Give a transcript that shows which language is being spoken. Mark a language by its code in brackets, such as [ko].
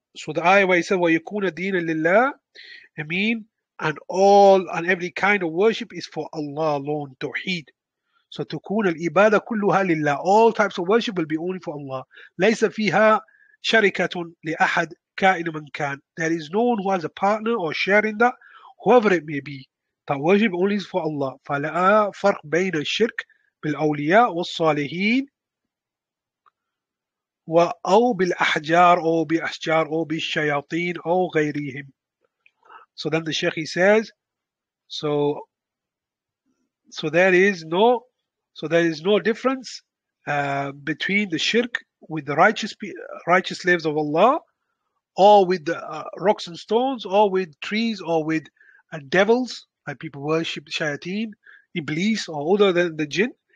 [en] So the ayah where he said, [ar] وَيَكُونَ الدِّينَ لِلَّهِ, [en] it mean, and all and every kind of worship is for Allah alone, tawheed. So [ar] تُكُونَ الْإِبَادَ كُلُّهَا لِلَّهِ. [en] All types of worship will be only for Allah. [ar] لَيْسَ فِيهَا شَرِكَةٌ لِأَحَدْ كَائِنُ مَنْ كَانَ. [en] There is no one who has a partner or share in that, whoever it may be. That worship only is for Allah. [ar] فَلَا فَرْقْ بَيْنَ الشِّرْكِ بالأولياء والصالحين أو بالأحجار أو بأشجار أو بالشياطين أو غيرهم. [en] So then the Sheikh, he says, so there is no difference between the shirk with the righteous slaves of Allah, or with the rocks and stones, or with trees, or with devils, like people worship shayateen, iblis, or other than the jinn.